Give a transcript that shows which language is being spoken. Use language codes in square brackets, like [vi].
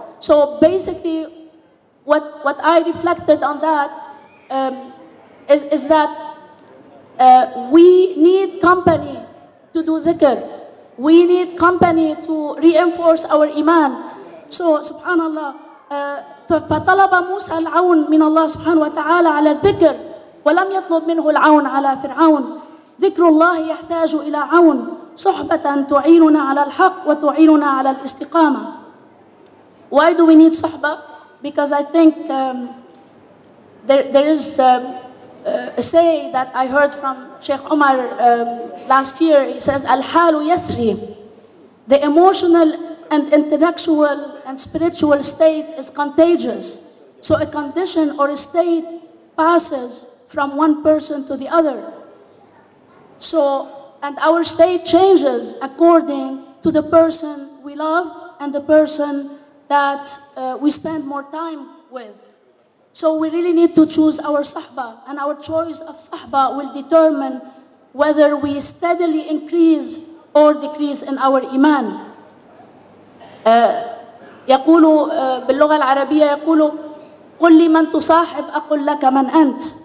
[en] So basically, what I reflected on that is that we need company to do dhikr. We need company to reinforce our iman. [ar] So subhanallah, فطلب موسى العون من الله سبحانه وتعالى على الذكر ولم يطلب منه العون على فرعون. ذكر الله يحتاج إلى عون صحبة تعيننا على الحق وتعيننا على الاستقامة. [en] Why do we need صحبة? Because I think there is a say that I heard from Sheikh Omar last year. He says, [ar] Al-halu yasri. [en] The emotional and intellectual and spiritual state is contagious. So a condition or a state passes from one person to the other. So, and our state changes according to the person we love and the person that we spend more time with. So we really need to choose our sahba, and our choice of sahba will determine whether we steadily increase or decrease in our iman. [ar] يقول باللغة العربية يقول قل لي من تصاحب أقول لك من أنت.